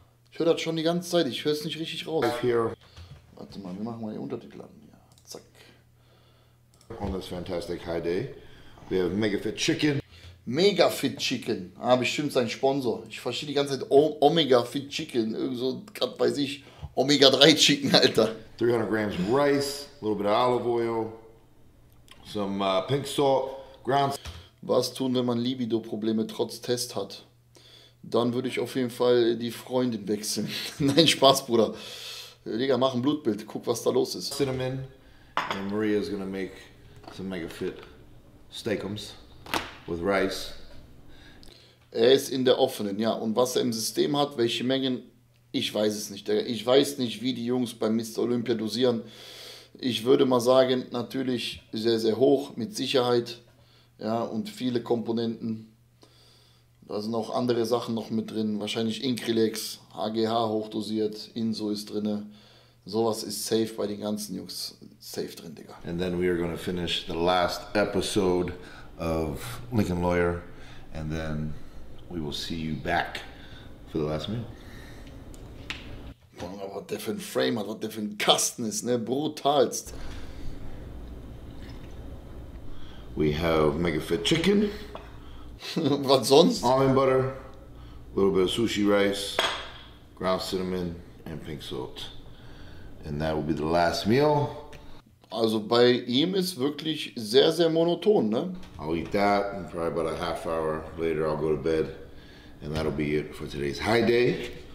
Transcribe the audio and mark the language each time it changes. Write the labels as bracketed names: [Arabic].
[German] Ich höre das schon die ganze Zeit, ich höre es nicht richtig raus. [English] Here. [German] Warte mal, wir machen mal die Untertitel an. Ja, zack. [English] On this fantastic high day, we have Mega Fit Chicken. [German] Mega Fit Chicken. Ah, bestimmt sein Sponsor. Ich verstehe die ganze Zeit Omega Fit Chicken. Irgend so, gerade bei sich, Omega 3 Chicken, Alter. [English] 300 grams rice, a little bit of olive oil. Some pink salt, ground. [German] Was tun, wenn man Libido-Probleme trotz Test hat? Dann würde ich auf jeden Fall die Freundin wechseln. Nein, Spaß, Bruder. Digga, mach ein Blutbild, guck, was da los ist. [English] Cinnamon. And Maria is gonna make some mega fit steakums with rice. [German] Er ist in der offenen, ja. Und was er im System hat, welche Mengen, ich weiß es nicht. Ich weiß nicht, wie die Jungs beim Mr. Olympia dosieren. Ich würde mal sagen, natürlich sehr, sehr hoch, mit Sicherheit, ja, und viele Komponenten. Da sind auch andere Sachen noch mit drin, wahrscheinlich Increlex, HGH hochdosiert, Inso ist drin. Sowas ist safe bei den ganzen Jungs, safe drin, Digga. [English] And then we are gonna finish the last episode of Lincoln Lawyer, and then we will see you back for the last meal. [German] Was der für ein Frame hat, was der für ein Kasten ist, ne? Brutalst. [English] We have Mega Fit Chicken. [German] Was sonst? [English] Almond Butter, a little bit of sushi rice, ground cinnamon and pink salt. And that will be the last meal. [German] Also bei ihm ist wirklich sehr, sehr monoton, ne? [English] I'll eat that and probably about a half hour later I'll go to bed. And that'll be it for today's high day.